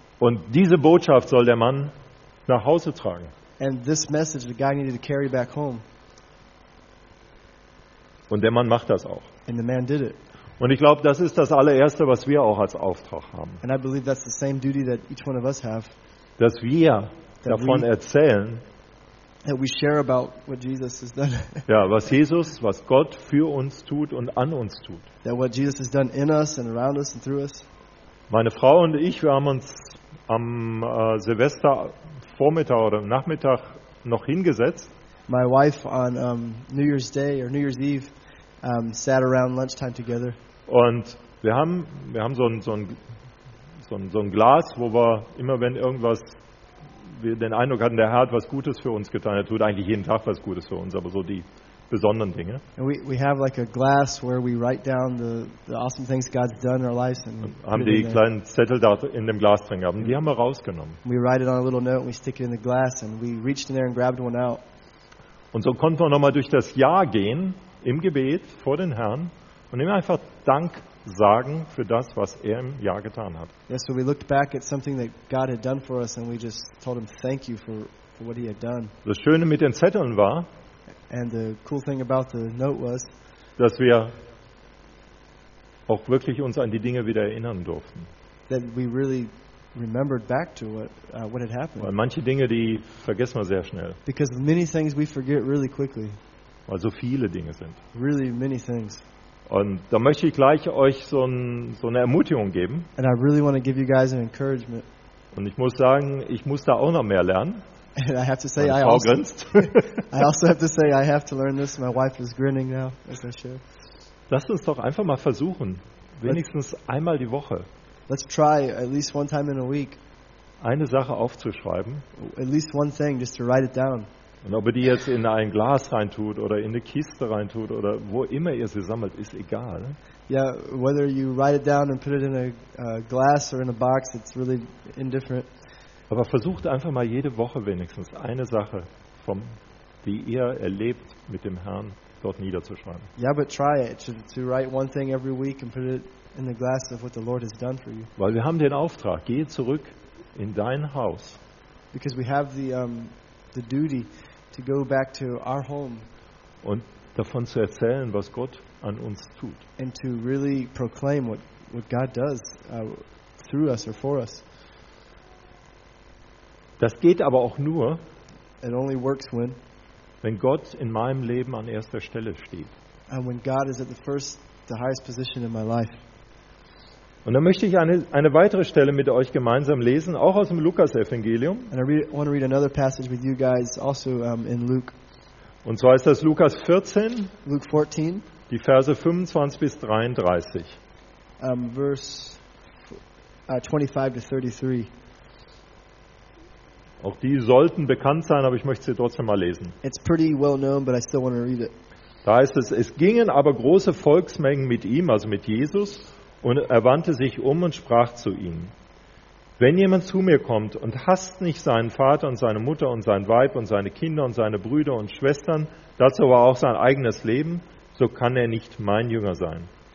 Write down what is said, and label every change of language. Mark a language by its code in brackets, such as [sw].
[de] Und diese Botschaft soll der Mann nach Hause tragen. [en] And this message the guy needed to carry back home. [de] Und der Mann macht das auch. [en] And the man did it. [de] Und ich glaube, das ist das allererste, was wir auch als Auftrag haben. [en] And I believe that's the same duty that each one of us have. [de] Dass wir davon erzählen. [en] That we share about what Jesus has done. [de] Ja, was Gott für uns tut und an uns tut. [en] That what Jesus has done in us and around us and through us. [de] Meine Frau und ich, wir haben uns am Silvester Vormittag oder Nachmittag noch hingesetzt. [en] My wife on New Year's Day or New Year's Eve. Sat around lunchtime together. [de] Und wir haben so ein Glas, wo wir immer, wenn irgendwas, wir den Eindruck hatten, der Herr hat was Gutes für uns getan. Er tut eigentlich jeden Tag was Gutes für uns, aber so die besonderen Dinge. [en] And we have like a glass where we write down the awesome things God's done in our lives. And [de] haben die kleinen Zettel da in dem Glas drin gehabt. Die haben wir rausgenommen. [en] We write it on a little note and we stick it in the glass and we reached in there and grabbed one out. [de] Und so konnten wir nochmal durch das Jahr gehen. Im Gebet vor den Herrn und ihm einfach Dank sagen für das, was er im Jahr getan hat. [en] Yes, so we looked back at something that God had done for us and we just told him thank you for what he had done. [de] Das Schöne mit den Zetteln war, [en] and the cool thing about the note was, [de] dass wir auch wirklich uns an die Dinge wieder erinnern durften. [en] That we really remembered back to what had happened. [de] Weil manche Dinge, die vergessen wir sehr schnell. [en] Because many things we forget really quickly. [de] Weil so viele Dinge sind. [en] Really many things. [de] Und da möchte ich gleich euch so eine Ermutigung geben. [en] And I really want to give you guys an encouragement. [de] Und ich muss sagen, ich muss da auch noch mehr lernen. [en] And I have to say, I also have to say, I have to learn this. My wife is grinning now as I share. [de] Lasst uns doch einfach mal versuchen, wenigstens einmal die Woche. [en] Let's try at least one time in a week. [de] Eine Sache aufzuschreiben. [en] At least one thing, just to write it down. [de] Und ob ihr die jetzt in ein Glas reintut oder in eine Kiste reintut oder wo immer ihr sie sammelt, ist egal. [en] Yeah, whether you write it down and put it in a glass or in a box, it's really indifferent. [de] Aber versucht einfach mal jede Woche wenigstens eine Sache, die ihr erlebt mit dem Herrn, dort niederzuschreiben. [en] Yeah, but try it. To write one thing every week and put it in the glass of what the Lord has done for you. [de] Weil wir haben den Auftrag, gehe zurück in dein Haus. [en] Because we have the duty to go back to our home. [de] Und davon zu erzählen, was Gott an uns tut. [en] And to really proclaim what God does through us or for us. [de] Das geht aber auch nur, [en] it only works when, [de] wenn Gott in meinem Leben an erster Stelle steht. [en] And when God is at the highest position in my life. [de] Und dann möchte ich eine weitere Stelle mit euch gemeinsam lesen, auch aus dem Lukas-Evangelium. Und zwar ist das Lukas 14, [en] Luke 14, [de] die Verse 25 bis 33. [en] Verse 25 to 33. [de] Auch die sollten bekannt sein, aber ich möchte sie trotzdem mal lesen. [en] It's pretty well known, but I still want to read it. [de] Da heißt es: Es gingen aber große Volksmengen mit ihm, also mit Jesus, und er wandte sich um und sprach zu ihnen: Wenn jemand zu mir kommt und hasst nicht seinen Vater und seine Mutter und sein Weib und seine Kinder und seine Brüder und Schwestern, dazu war auch sein eigenes Leben, so kann er nicht mein Jünger sein.